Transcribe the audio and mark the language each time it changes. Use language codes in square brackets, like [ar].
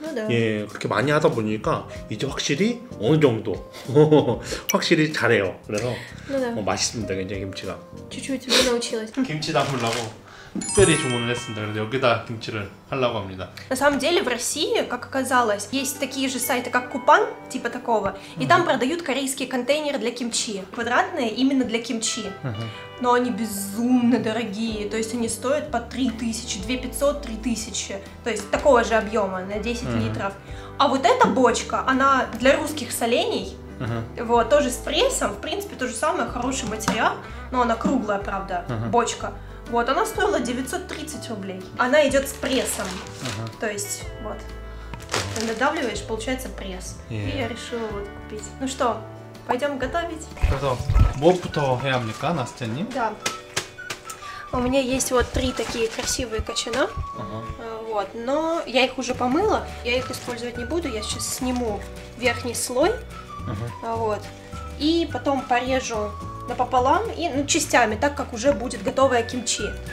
[ko] 예, 그렇게 많이 하다 보니까 이제 확실히 어느 정도 확실히 잘해요. 그래서 어, 맛있습니다. 굉장히 김치가. 김치 담으려고 특별히 주문을 했습니다. 그래서 여기다 김치를 하려고 합니다. [ru] На самом деле в России, как оказалось, есть такие же сайты, как Купан, типа такого, и там продают корейские контейнеры для кимчи, квадратные именно для кимчи. Но они безумно дорогие, то есть они стоят по 3000, 2500, 3000, то есть такого же объема на 10 литров. А вот эта бочка, она для русских солений, вот, тоже с прессом, в принципе, то же самое, хороший материал, но она круглая, правда, бочка. Вот, она стоила 930 рублей, она идет с прессом, то есть, вот, ты надавливаешь, получается пресс. И я решила вот купить. Ну что? Пойдем готовить. [ko] 그래서 무엇부터 해야 합니까, 나스테님? [ru] Да. У меня есть вот три такие красивые кочана. Вот, но я их уже помыла. Я их использовать не буду. Я сейчас сниму верхний слой. Вот. И потом порежу напополам и ну, частями, так как уже будет готовое кимчи.